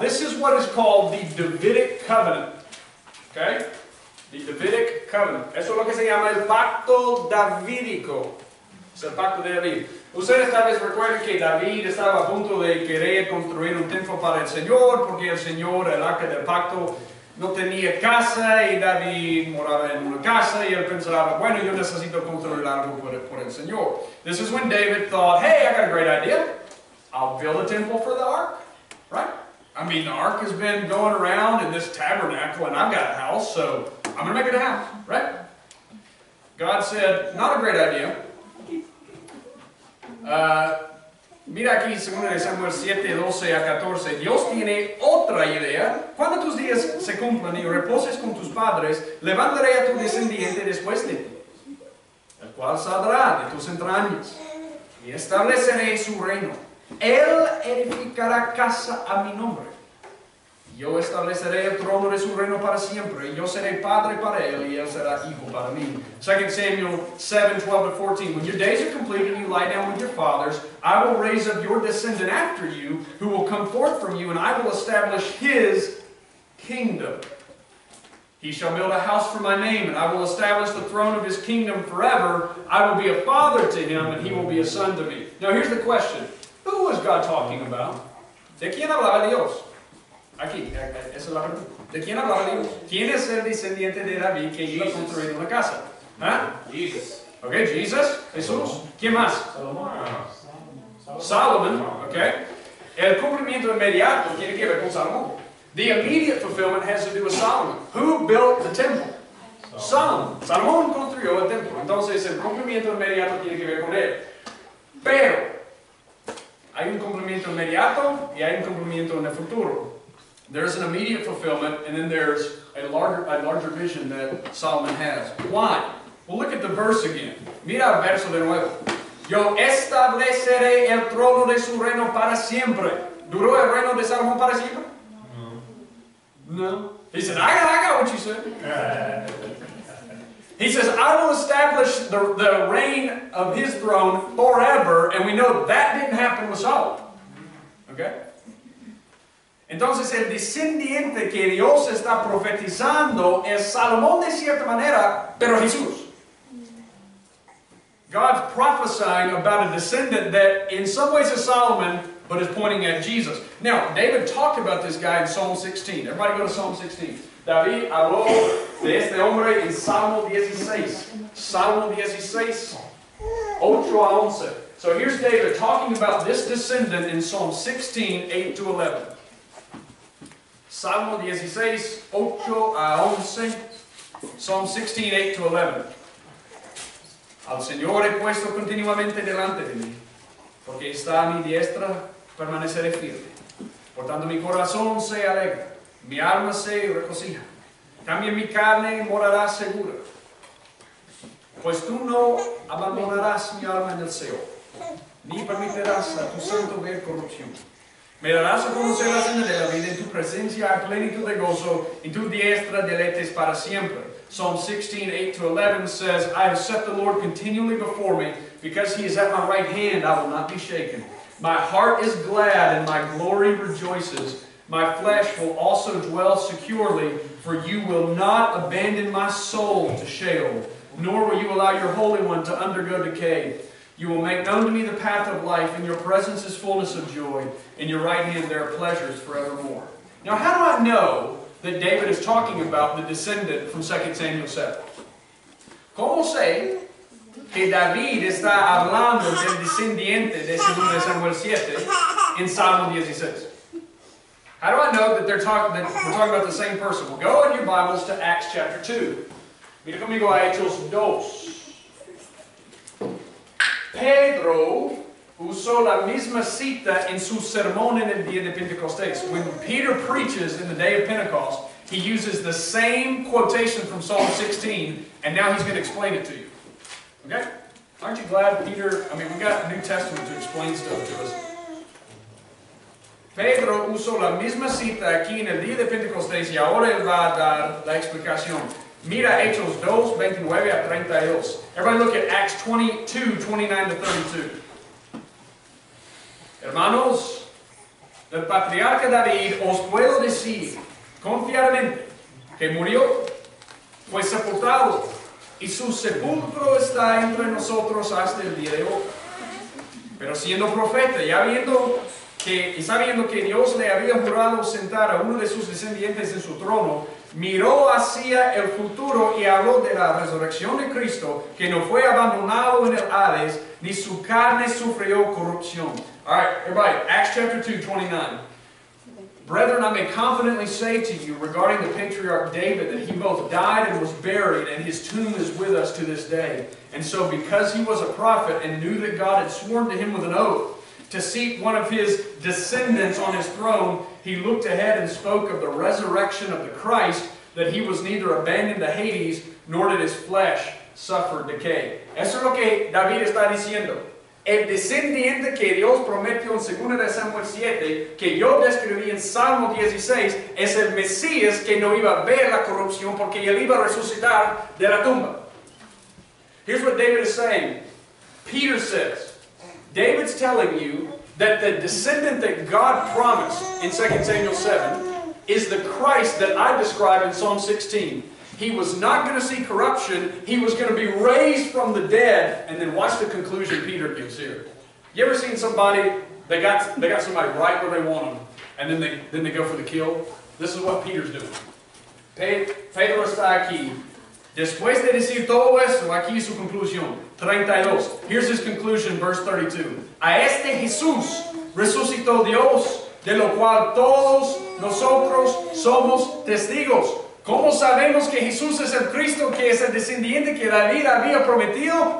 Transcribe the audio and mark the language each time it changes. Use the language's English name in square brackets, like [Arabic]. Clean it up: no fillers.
[English] This is what is called the Davidic Covenant. Okay? The Davidic Covenant. [Spanish] Eso es lo que se llama el Pacto Davidico. Es el Pacto de David. Ustedes tal vez recuerden que David estaba a punto de querer construir un templo para el Señor, porque el Señor, el arca del pacto, no tenía casa, y David moraba en una casa, y él pensaba, bueno, yo necesito construir algo por el Señor. [English] This is when David thought, hey, I got a great idea. I'll build a temple for the ark, right? I mean, the ark has been going around in this tabernacle, and I've got a house, so I'm going to make it a house, right? God said, not a great idea. [Spanish] Mira aquí, 2 Samuel 7, 12 a 14. Dios tiene otra idea. Cuando tus días se cumplan y reposes con tus padres, levantaré a tu descendiente después de ti, el cual saldrá de tus entrañas, y estableceré su reino. Él edificará casa a mi nombre. Yo estableceré el trono de su reino para siempre, y yo seré padre para él, y él será hijo para mí. [English] 2 Samuel 7, 12 to 14. When your days are completed, you lie down with your fathers, I will raise up your descendant after you, who will come forth from you, and I will establish his kingdom. He shall build a house for my name, and I will establish the throne of his kingdom forever. I will be a father to him, and he will be a son to me. Now here's the question. Who was God talking about? [Spanish] ¿De quién hablaba Dios? Aquí, esa es la pregunta. ¿De quién hablaba Dios? ¿Quién es el descendiente de David que iba a construir una casa? ¿Ah? [English] Jesus. [Spanish] Ok, Jesus, Jesús. ¿Quién más? [English] Solomon. Ok. [Spanish] El cumplimiento inmediato tiene que ver con Salomón. [English] The immediate fulfillment has to do with Solomon. Who built the temple? Solomon. [Spanish] Salomón construyó el templo. Entonces, el cumplimiento inmediato tiene que ver con él. Pero, hay un cumplimiento inmediato y hay un cumplimiento en el futuro. [English] There's an immediate fulfillment, and then there's a larger vision that Solomon has. Why? Well, look at the verse again. [Spanish] Mira el verso de nuevo. Yo estableceré el trono de su reino para siempre. ¿Duró el reino de Salomón para siempre? No. [English] He said, I got what you said. He says, I will establish the reign of his throne forever, and we know that didn't happen with Solomon. Okay? [Spanish] Entonces, el descendiente que Dios está profetizando es Salomón de cierta manera, pero Jesús. [English] God's prophesying about a descendant that in some ways is Solomon, but is pointing at Jesus. Now, David talked about this guy in Psalm 16. Everybody go to Psalm 16. [Spanish] David habló de este hombre en Salmo 16. Salmo 16, 8 a 11. [English] So here's David talking about this descendant in Psalm 16, 8 to 11. [Spanish] Salmo 16, 8 a 11. [English] Psalm 16, 8 to 11. [Spanish] Al Señor he puesto continuamente delante de mí, porque está a mi diestra, permaneceré firme. Por tanto, mi corazón se alegra, mi alma se regocija. También mi carne morará segura, pues tú no abandonarás mi alma en el Seol, ni permitirás a tu santo ver corrupción. Me darás a conocer la senda de la vida, en tu presencia a plenitud de gozo, en tu diestra deleites para siempre. [English] Psalm 16, 8 to 11 says, I have set the Lord continually before me, because he is at my right hand, I will not be shaken. My heart is glad and my glory rejoices. My flesh will also dwell securely, for you will not abandon my soul to Sheol, nor will you allow your Holy One to undergo decay. You will make known to me the path of life, and your presence is fullness of joy. In your right hand there are pleasures forevermore. Now, how do I know that David is talking about the descendant from 2 Samuel 7? [Spanish] ¿Cómo sé que David está hablando del descendiente de 2 Samuel 7 en Salmo 16? [English] How do I know that we're talking about the same person? Well, go in your Bibles to Acts chapter 2. [Spanish] Mira conmigo a Hechos 2. Pedro usó la misma cita en su sermón en el día de Pentecostés. [English] When Peter preaches in the day of Pentecost, he uses the same quotation from Psalm 16, and now he's going to explain it to you. Okay? Aren't you glad Peter, I mean, we got the New Testament to explain stuff to us. [Spanish] Pedro usó la misma cita aquí en el día de Pentecostés y ahora él va a dar la explicación. Mira Hechos 2, 29 a 32. [English] Everybody look at Acts 22, 29 to 32. [Spanish] Hermanos, el patriarca David os puedo decir confiadamente que murió, fue sepultado y su sepulcro está entre nosotros hasta el día de hoy. Pero siendo profeta y sabiendo que Dios le había jurado sentar a uno de sus descendientes en su trono, miró hacia el futuro y habló de la resurrección de Cristo, que no fue abandonado en el Hades, ni su carne sufrió corrupción. [English] All right, everybody, Acts chapter 2, 29. Brethren, I may confidently say to you regarding the patriarch David that he both died and was buried, and his tomb is with us to this day. And so because he was a prophet and knew that God had sworn to him with an oath to seat one of his descendants on his throne, he looked ahead and spoke of the resurrection of the Christ, that he was neither abandoned to Hades, nor did his flesh suffer decay. [Spanish] Eso es lo que David está diciendo. El descendiente que Dios prometió en 2 Samuel 7, que yo describí en Salmo 16, es el Mesías que no iba a ver la corrupción porque él iba a resucitar de la tumba. [English] Here's what David is saying. Peter says, David's telling you that the descendant that God promised in 2 Samuel 7 is the Christ that I describe in Psalm 16. He was not going to see corruption. He was going to be raised from the dead. And then watch the conclusion Peter gives here. You ever seen somebody, they got somebody right where they want them, and then they go for the kill? This is what Peter's doing. [Spanish] Pedro está aquí. Después de decir todo esto, aquí su conclusión. 32. [English] Here's his conclusion, verse 32. [Spanish] A este Jesús resucitó Dios, de lo cual todos nosotros somos testigos. ¿Cómo sabemos que Jesús es el Cristo, que es el descendiente que David había prometido?